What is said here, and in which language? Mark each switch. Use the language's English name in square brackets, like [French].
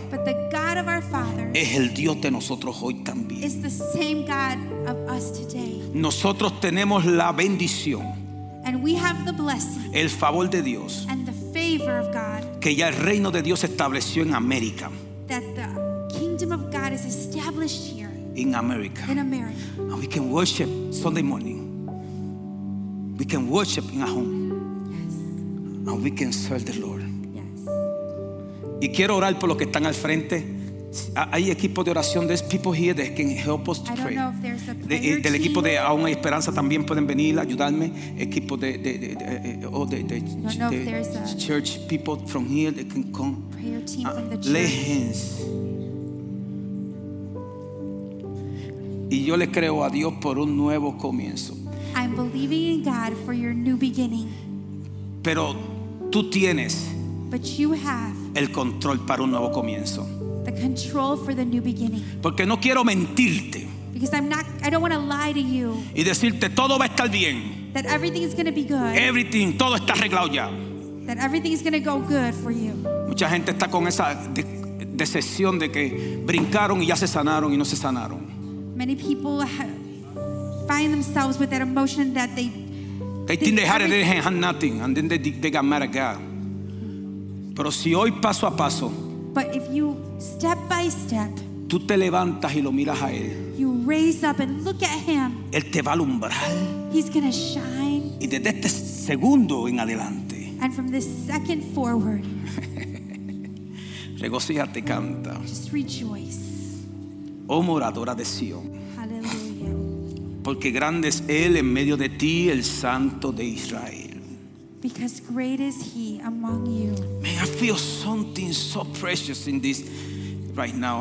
[English] but the God of our fathers, [Spanish] es el Dios de nosotros hoy también. [English] Is the same God of us today. [Spanish] Nosotros tenemos la bendición, [English] and we have the blessing, [Spanish] el favor de Dios, [English] and the favor of God, [Spanish] que ya el reino de Dios estableció en América. [English] That the kingdom of God is established here. In America. In America. And we can worship Sunday morning. We can worship in a home. Yes. And we can serve the Lord. Yes. [Spanish] Y quiero orar por los que están al frente. Hay equipo de oración. [English] There's people here that can help us to pray. I don't know if there's a prayer team. [Spanish] Del equipo de Aún Hay Esperanza también pueden venir a ayudarme. Equipo de [English] church people from here that can come. Prayer team from the church. Lay hands. [Spanish] Y yo le creo a Dios por un nuevo comienzo. [English] I'm believing in God for your new beginning. [Spanish] Pero tú tienes, [English] but you have, [Spanish] el control para un nuevo comienzo. [English] The control for the new beginning. [Spanish] Porque no quiero mentirte. [English] Because I don't want to lie to you. [Spanish] Y decirte todo va a estar bien. [English] That everything is going to be good. [Spanish] Everything, todo está arreglado ya. [English] That everything is going to go good for you. [Spanish] Mucha gente está con esa decepción de que brincaron y ya se sanaron y no se sanaron. [English] Many people find themselves with that emotion that they think they had it, they didn't have nothing, and then they got mad at God. [Spanish] Pero si hoy paso a paso, [English] but if you step by step, [Spanish] tú te levantas y lo miras a él, [English] you raise up and look at him, [Spanish] él te va a alumbrar, [English] he's going to shine. [Spanish] Y desde este segundo en adelante, [English] and from this second forward, [Spanish] regocíjate, canta. [English] Just rejoice. [Spanish] Oh moradora de Sion. [English] Hallelujah. [Spanish] Porque grande es Él en medio de ti, el Santo de Israel. [English] Because great is He among you. Man, I feel something so precious in this right now.